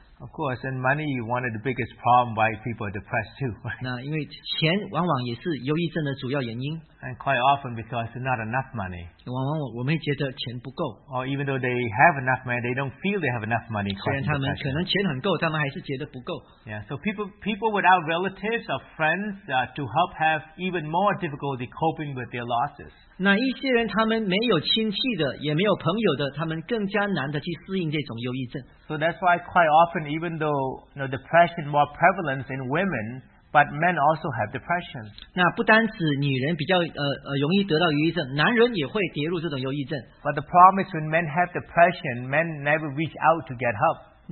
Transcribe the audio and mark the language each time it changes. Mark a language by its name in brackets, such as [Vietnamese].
[English] Of course, and money is one of the biggest problems why people are depressed too. Right? [Chinese] 那因为钱往往也是忧郁症的主要原因。 [English] And quite often because it's not enough money. [Chinese] 往往我们觉得钱不够。 [English] Or even though they have enough money, they don't feel they have enough money. [Chinese] 虽然他们可能钱很够，他们还是觉得不够。 [English] Yeah, so people without relatives or friends to help have even more difficulty coping with their losses. [Chinese] 那一些人他们没有亲戚的，也没有朋友的，他们更加难的去适应这种忧郁症。 [English] So that's why quite often, even though depression is more prevalent in women, but men also have depression. [Chinese] 那不单指女人比较容易得到忧郁症，男人也会跌入这种忧郁症。 [English] But the problem is when men have depression, men never reach out to get help.